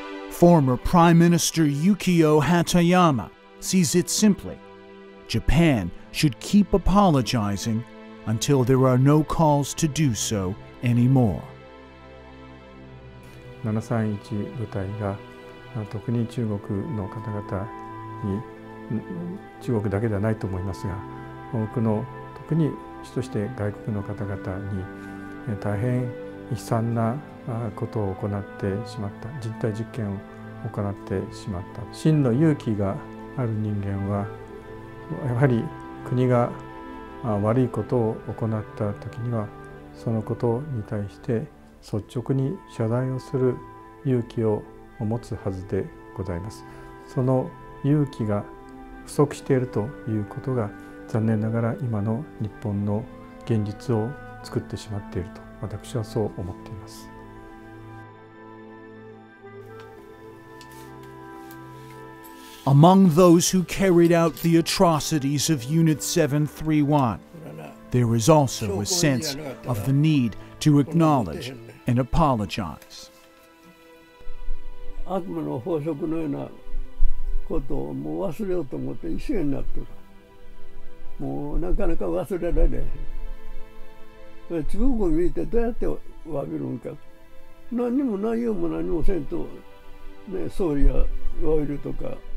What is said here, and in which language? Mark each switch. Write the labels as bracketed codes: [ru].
[en] Former Prime Minister Yukio Hatoyama sees it simply. Japan should keep apologizing until there are no calls to do so anymore. [ja] 731部隊が特に中国の方々に中国だけではないと思いますが多くの特に人として外国の方々に大変悲惨なことを行ってしまった人体実験を行ってしまった真の勇気がある人間はやはり国が悪いことを行った時にはそのことに対して率直に謝罪をする勇気を持つはずでございます。その勇気が不足しているということが残念ながら今の日本の現実を作ってしまっていると私はそう思っています。 [en] Among those who carried out the atrocities of Unit 731, there is also a sense of the need to acknowledge and apologize. [ja] 悪魔の法則のようなことをもう忘れようと思って一緒になってる。もうなかなか忘れられない。中国見てどうやって詫びるんか。何も内容も何もせんと、ね、総理や詫びるとか。